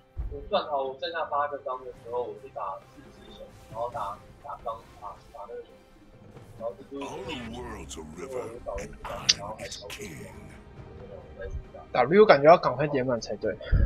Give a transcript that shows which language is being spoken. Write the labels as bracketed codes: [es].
[zh] 我算好，我剩下八个钢的时候，我去打四只熊，然后打钢，打那个熊，然后这就是。 [en] All the world's a river, and I am its king。 [zh] 打 W 感觉要赶快点满才对。